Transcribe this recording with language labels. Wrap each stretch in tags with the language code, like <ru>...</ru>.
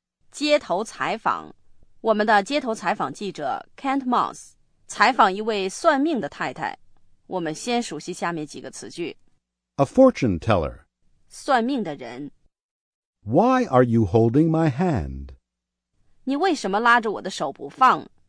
<zh>街头采访我们的街头采访记者 Kent Moss 采访一位算命的太太。我们先熟悉下面几个词句。</zh> <en>A fortune teller.</en> <zh>算命的人。</zh> <en>Why are you holding my hand?</en> <zh>你为什么拉着我的手不放?</zh>